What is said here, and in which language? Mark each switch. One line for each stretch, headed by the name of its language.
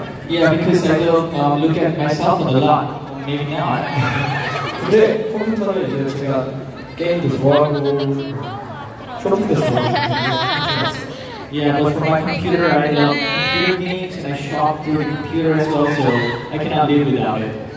English: Yeah, because I don't look at myself a lot. Maybe not.
Korean: 근데 컴퓨터를 이제 제가 게임도 좋아하고 쇼핑도 좋아하고
English: Yeah, but for my computer, I love video games and I shop through the computer as well, so I cannot live without it.